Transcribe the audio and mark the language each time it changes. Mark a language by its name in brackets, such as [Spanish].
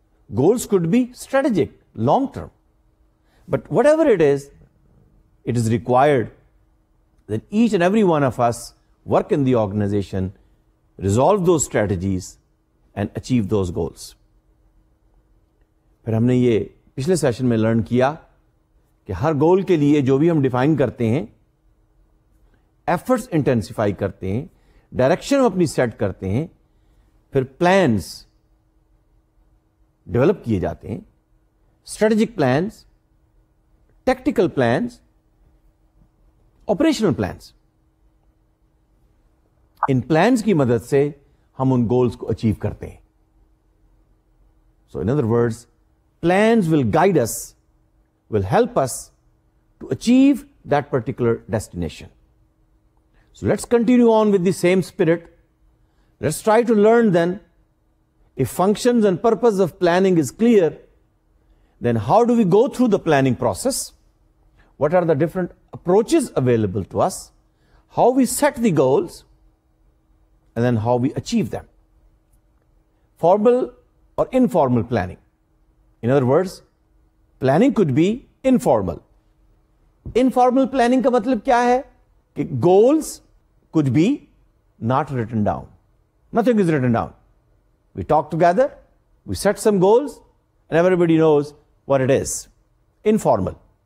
[English] Goals could be strategic, long term. But whatever it is required that each and every one of us work in the organization, resolve those strategies and achieve those goals. [Urdu] پھر ہم نے یہ پچھلے session میں learn کیا کہ ہر گول کے لیے جو بھی ہم ڈیفائن کرتے ہیں, ایفرٹس انٹینسیفائی کرتے ہیں, ڈائریکشن اپنی سیٹ کرتے ہیں, پھر پلانس ڈیولپ کیے جاتے ہیں, strategic plans, tactical plans, operational plans. ان پلانس کی مدد سے ہم ان گولز کو اچیو کرتے ہیں. [English] So in other words plans will guide us, will help us to achieve that particular destination. So let's continue on with the same spirit. Let's try to learn then if functions and purpose of planning is clear, then how do we go through the planning process, what are the different approaches available to us, how we set the goals, and then how we achieve them. Formal or informal planning. In other words, planning could be informal. Informal planning [Urdu] ka matlab kya hai? Ki [English] goals could be not written down. Nothing is written down. We talk together, we set some goals, and everybody knows what it is. Informal.